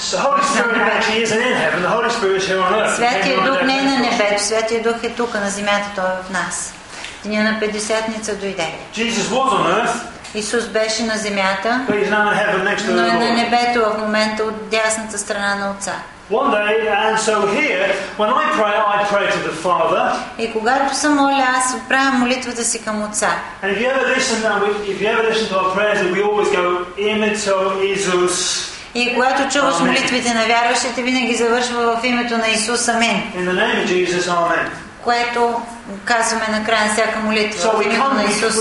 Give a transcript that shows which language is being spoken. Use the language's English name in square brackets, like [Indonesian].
[English] The Holy Spirit actually isn't in heaven. The Holy Spirit is here on earth. [Bulgarian] Святия Дух не е на небето. Святия Дух е тук, на земята, той е в нас. Деня на Петдесетница дойде. [English] Jesus was on earth. [Bulgarian] Исус беше на земята, но е на небето в момента от дясната страна на Отца. [English] One day, and so here, when I pray to the Father. [Bulgarian] И когато се моля, аз правя молитвата си към Отца. [English] And if you ever listen to our prayers, we always go, imito Jesus. [Bulgarian] И когато чуваш молитвите на вярващите, винаги завършва в името на Исус, амин. [English] In the name of Jesus, amen. [Bulgarian] Което казваме накрая на всяка молитва в името на Исус